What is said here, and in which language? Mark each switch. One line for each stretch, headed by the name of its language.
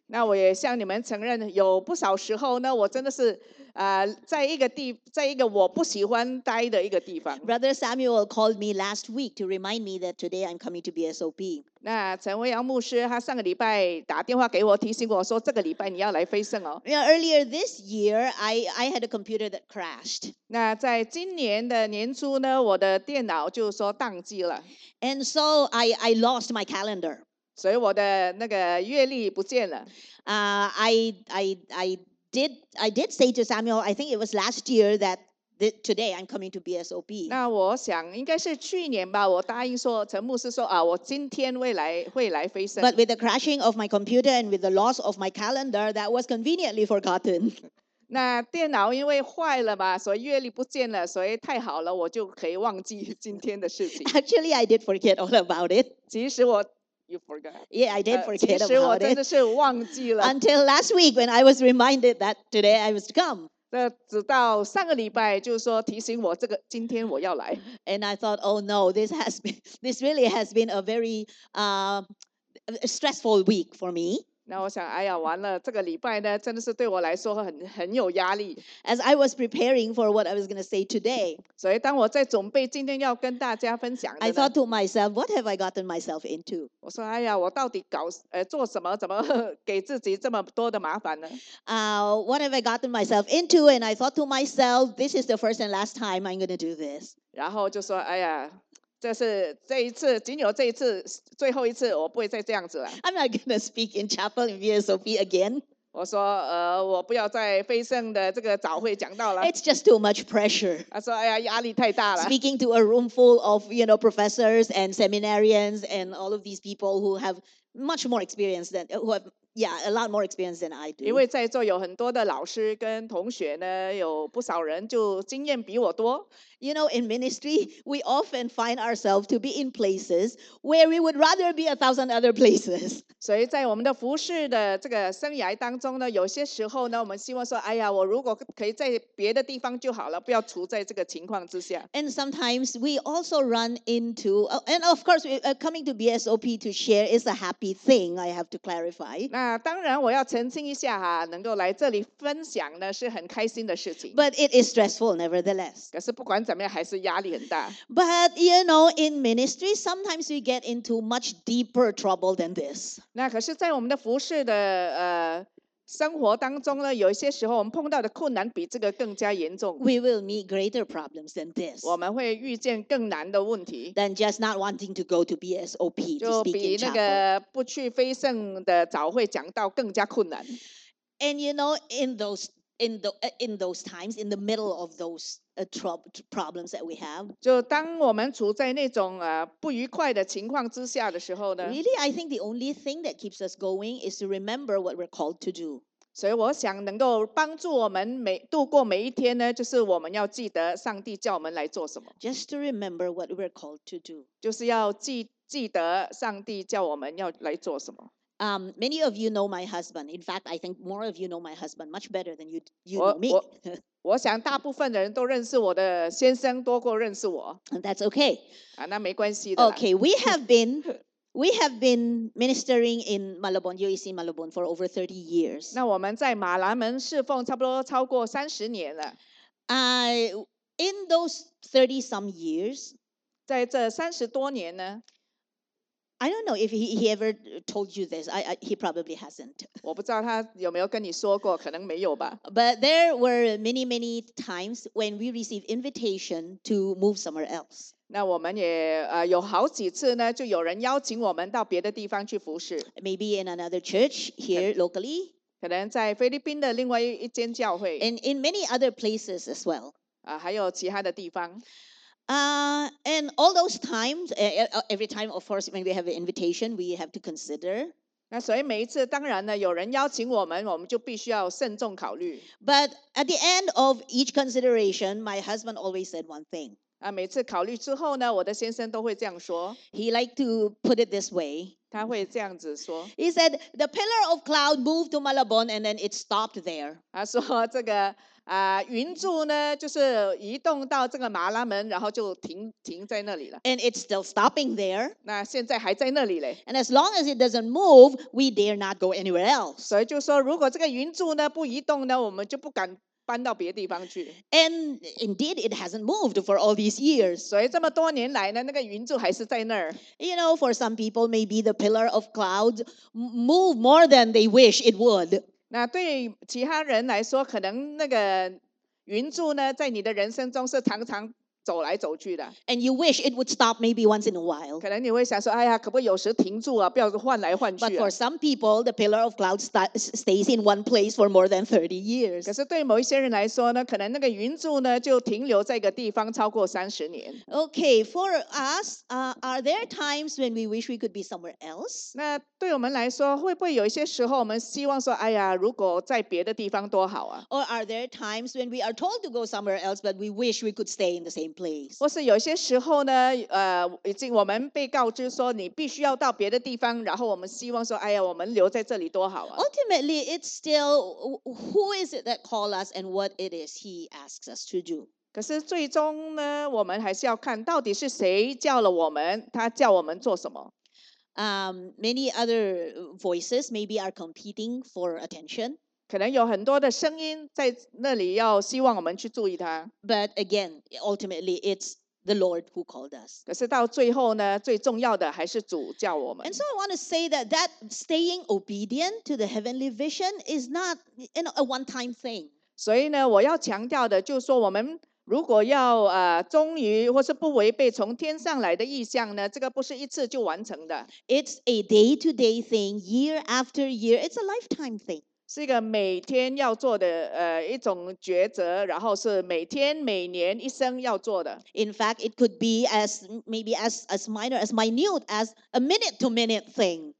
Chinese: 那我也向你们承认，有不少时候呢，我真的是在一个我不喜欢待的一个地方。
English: Brother Samuel called me last week to remind me that today I'm coming to BSOP.
Chinese: 那陈威阳牧师他上个礼拜打电话给我，提醒我说这个礼拜你要来飞圣哦。
English: Yeah, earlier this year, I had a computer that crashed.
Chinese: 那在今年的年初呢，我的电脑就说宕机了。
English: And so I lost my calendar.
Chinese: 所以我的那个月历不见了。
English: I did say to Samuel, I think it was last year that today I'm coming to BSOP.
Chinese: 那我想应该是去年吧，我答应说陈牧师说啊，我今天会来飞圣。
English: But with the crashing of my computer and with the loss of my calendar, that was conveniently forgotten.
Chinese: 那电脑因为坏了嘛，所以月历不见了，所以太好了，我就可以忘记今天的事情。
English: Actually, I did forget all about it.
Chinese: 其实我
English: You forgot. Yeah, I did forget about it.
Chinese: 其实我真的是忘记了。
English: Until last week when I was reminded that today I was to come.
Chinese: 那直到上个礼拜就说提醒我这个今天我要来。
English: And I thought, oh no, this really has been a very stressful week for me.
Chinese: 那我想，哎呀，完了，这个礼拜呢，真的是对我来说很有压力。
English: As I was preparing for what I was going to say today.
Chinese: 所以当我在准备今天要跟大家分享的
English: 呢， I thought to myself, what have I gotten myself into?
Chinese: 我说，哎呀，我到底做什么，怎么给自己这么多的麻烦呢？
English: What have I gotten myself into? And I thought to myself, this is the first and last time I'm going to do this.
Chinese: 然后就说，哎呀。这是这一次，仅有这一次，最后一次，我不会再这样子了。
English: I'm not going to speak in chapel in VSOP again.
Chinese: 我说，我不要在飞圣的这个早会讲到了。
English: It's just too much pressure.
Chinese: 他说，哎呀，压力太大了。
English: Speaking to a room full of, you know, professors and seminarians and all of these people who have much more experience than, who have, yeah, a lot more experience than I do.
Chinese: 因为在座有很多的老师跟同学呢，有不少人就经验比我多。
English: You know, in ministry, we often find ourselves to be in places where we would rather be 1,000 other places.
Chinese: 所以在我们的服事的这个生涯当中呢，有些时候呢，我们希望说，哎呀，我如果可以在别的地方就好了，不要处在这个情况之下。
English: And sometimes we also run into, and of course, coming to BSOP to share is a happy thing, I have to clarify.
Chinese: 那当然我要澄清一下哈，能够来这里分享呢，是很开心的事情。
English: But it is stressful, nevertheless.
Chinese: 可是不管怎么样，还是压力很大。
English: But you know, in ministry, sometimes we get into much deeper trouble than this.
Chinese: 那可是，在我们的服事的生活当中呢，有一些时候我们碰到的困难比这个更加严重。
English: We will meet greater problems than this.
Chinese: 我们会遇见更难的问题。
English: Than just not wanting to go to BSOP to speak in chapel.
Chinese: 就比那个不去飞圣的早会讲到更加困难。
English: And you know, in those times, in the middle of those problems that we have.
Chinese: 就当我们处在那种不愉快的情况之下的时候呢，
English: Really, I think the only thing that keeps us going is to remember what we're called to do.
Chinese: 所以我想能够帮助我们度过每一天呢，就是我们要记得上帝叫我们来做什么。
English: Just to remember what we're called to do.
Chinese: 就是要记得上帝叫我们要来做什么。
English: Many of you know my husband. In fact, I think more of you know my husband much better than you know me.
Chinese: 我想大部分的人都认识我的先生多过认识我。
English: That's okay.
Chinese: 那没关系的。
English: Okay, we have been ministering in Malabon, UEC Malabon for over 30 years.
Chinese: 那我们在马兰门侍奉差不多超过30年了。
English: In those 30 some years,
Chinese: 在这30多年呢，
English: I don't know if he ever told you this. He probably hasn't.
Chinese: 我不知道他有没有跟你说过，可能没有吧。
English: But there were many, many times when we received invitation to move somewhere else.
Chinese: 那我们也有好几次呢，就有人邀请我们到别的地方去服事。
English: Maybe in another church here locally.
Chinese: 可能在菲律宾的另外一间教会。
English: And in many other places as well.
Chinese: 还有其他的地方。
English: And all those times, every time, of course, when we have an invitation, we have to consider.
Chinese: 那所以每一次当然呢有人邀请我们我们就必须要慎重考虑。
English: But at the end of each consideration, my husband always said one thing.
Chinese: 啊，每次考虑之后呢我的先生都会这样说。
English: He liked to put it this way.
Chinese: 他会这样子说。
English: He said, the pillar of cloud moved to Malabon and then it stopped there.
Chinese: 他说这个啊，云柱呢就是移动到这个马拉门然后就 停在那里了。
English: And it's still stopping there.
Chinese: 那现在还在那里咧。
English: And as long as it doesn't move, we dare not go anywhere else.
Chinese: 所以就说如果这个云柱呢不移动呢我们就不敢搬到别地方去。
English: And indeed it hasn't moved for all these years.
Chinese: 所以这么多年来呢那个云柱还是在那儿。
English: You know, for some people, maybe the pillar of clouds move more than they wish it would.
Chinese: 那对其他人来说可能那个云柱呢在你的人生中是常常走来走去的。
English: And you wish it would stop maybe once in a while.
Chinese: 可能你会想说哎呀可不可以有时停住啊不要换来换去、啊。
English: But for some people, the pillar of cloud stays in one place for more than 30 years.
Chinese: 可是对某一些人来说呢可能那个云柱呢就停留在一个地方超过30年。
English: Okay, for us,、are there times when we wish we could be somewhere else?
Chinese: 那对我们来说会不会有一些时候我们希望说哎呀如果在别的地方多好啊。
English: Or are there times when we are told to go somewhere else, but we wish we could stay in the same place.
Chinese: 或是有些时候呢，已经我们被告知说你必须要到别的地方，然后我们希望说，哎呀，我们留在这里多好啊。
English: Ultimately, it's still who is it that call us and what it is he asks us to do.
Chinese: 可是最终呢，我们还是要看到底是谁叫了我们，他叫我们做什么。
English: Many other voices maybe are competing for attention.
Chinese: 可能有很多的声音在那里要希望我们去注意它。
English: But again, ultimately, it's the Lord who called us.
Chinese: 可是到最后呢，最重要的还是主叫我们。
English: And so I want to say that that staying obedient to the heavenly vision is not, you know, a one-time thing.
Chinese: 所以呢，我要强调的就是说，我们如果要忠于或是不违背从天上来的意象呢，这个不是一次就完成的。
English: It's a day-to-day thing, year after year. It's a lifetime thing.
Chinese: 是一个每天要做的一种抉择，然后是每天每年一生要做的。
English: In fact, it could be as maybe as minor as minute as a minute to minute thing.